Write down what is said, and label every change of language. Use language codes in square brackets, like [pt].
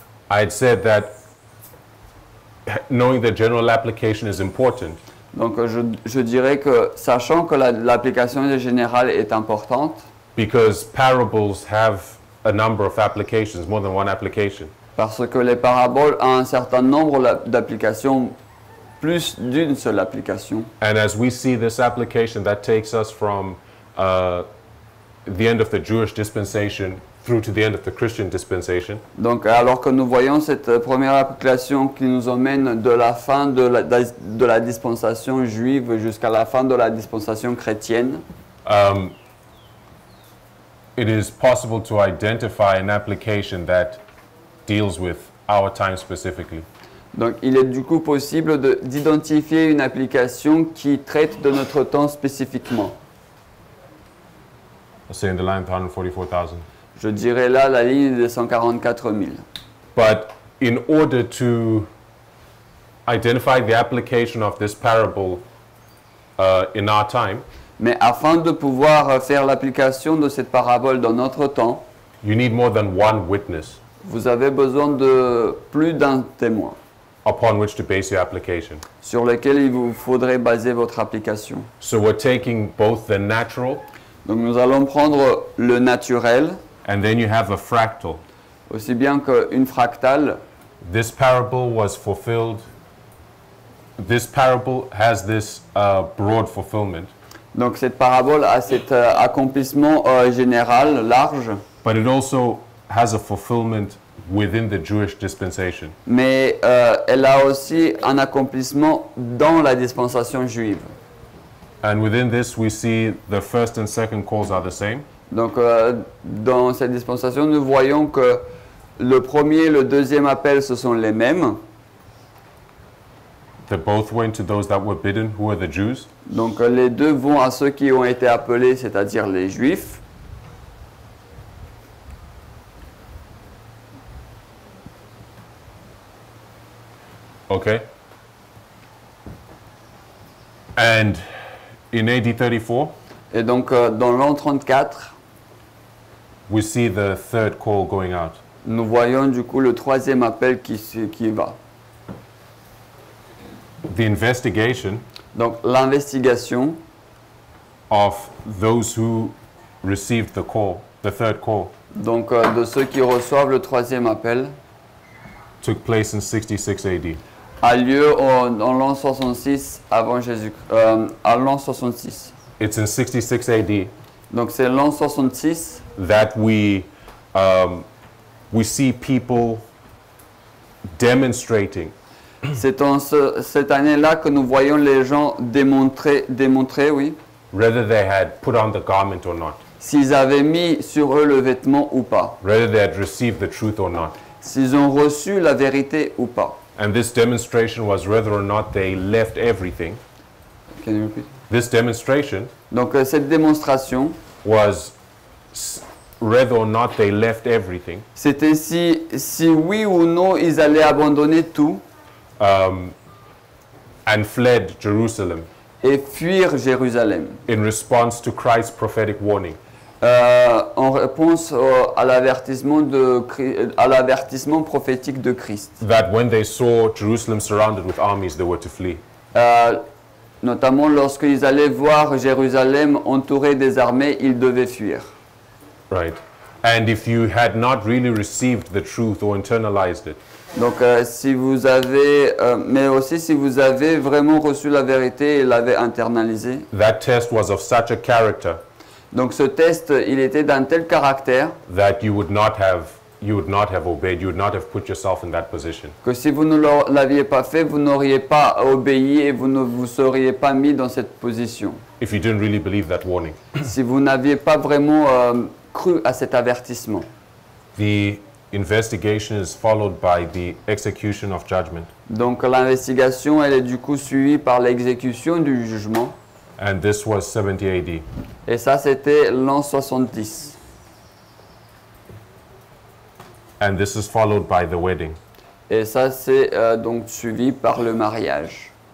[en] I had said that knowing the general application is important. [fr] Donc, je dirais que sachant que l'application générale est importante. [en] Because parables have a number of applications, more than one application. [fr] Parce que les paraboles ont un certain nombre d'applications, plus d'une seule application. [en] And as we see this application, that takes us from the end of the Jewish dispensation through to the end of the Christian dispensation. [fr] Donc alors que nous voyons cette première application qui nous emmène de la fin de la dispensation juive jusqu'à la fin de la dispensation chrétienne. [en] It is possible to identify an application that deals with our time specifically. [fr] Donc il est du coup possible d'identifier une application qui traite de notre temps spécifiquement. [en] I'll say in the line 144,000. [fr] Je dirais là la ligne des 144,000. [en] But in order to identify the application of this parable in our time, [fr] mais afin de pouvoir faire l'application de cette parabole dans notre temps, [en] you need more than one witness. [fr] Vous avez besoin de plus d'un témoin. [en] upon which to base your application. [fr] Sur lesquels il vous faudrait baser votre application. [en] So we're taking both the natural. [fr] Donc nous allons prendre le naturel. [en] And then you have a fractal. [fr] Aussi bien qu'une fractale. [en] This parable was fulfilled. This parable has this broad fulfillment. [fr] Donc cette parabole a cet accomplissement général, large. [en] But it also has a fulfillment within the Jewish dispensation. [fr] Mais elle a aussi un accomplissement dans la dispensation juive. [en] And within this we see the first and second calls are the same. [fr] Donc dans cette dispensation nous voyons que le premier et le deuxième appel ce sont les mêmes. [en] They both went to those that were bidden, who are the Jews. [fr] Donc les deux vont à ceux qui ont été appelés, c'est-à-dire les Juifs. [en] Okay. And in AD 34, [fr] et donc dans l'an 34, [en] we see the third call going out. [fr] Nous voyons du coup le troisième appel qui va. [en] The investigation. [fr] Donc l'investigation [en] of those who received the call, the third call. [fr] Donc de ceux qui reçoivent le troisième appel. [en] Took place in 66 AD. [fr] A lieu en l'an 66 avant Jésus. À l'an 66. [en] It's in 66 AD. [fr] Donc c'est l'an 66. [en] That we see people demonstrating. [fr] C'est en cette année-là que nous voyons les gens démontrer, oui. [en] Whether they had put on the garment or not. [fr] S'ils avaient mis sur eux le vêtement ou pas. [en] Whether they had received the truth or not. [fr] S'ils ont reçu la vérité ou pas. [en] And this demonstration was whether or not they left everything. Can you repeat? This demonstration. [fr] Donc cette démonstration. [en] Was whether or not they left everything. [fr] C'était si oui ou non ils allaient abandonner tout. [en] And fled Jerusalem. [fr] Et fuir Jérusalem. [en] In response to Christ's prophetic warning. [fr] En réponse à l'avertissement prophétique de Christ. [en] That when they saw Jerusalem surrounded with armies, they were to flee. [fr] Notamment lorsqu'ils allaient voir Jérusalem entourée des armées, ils devaient fuir. [en] Right. And if you had not really received the truth or internalized it. [fr] Donc si vous avez mais aussi si vous avez vraiment reçu la vérité et l'avez internalisé. [en] That test was of such a character. [fr] Donc ce test, il était d'un tel caractère. [en] That you would not have obeyed, you would not have put yourself in that position. [fr] Que si vous ne l'aviez pas fait, vous n'auriez pas obéi et vous ne vous seriez pas mis dans cette position. [en] If you didn't really believe that warning. [fr] Si vous n'aviez pas vraiment cru à cet avertissement. [en] The investigation is followed by the execution of judgment. [fr] Donc l'investigation, elle est du coup suivie par l'exécution du jugement. [en] And this was 70 AD. [fr] Et ça, c'était l'an 70. [en] And this is followed by the wedding. [fr] Et ça, c'est donc suivi par le mariage.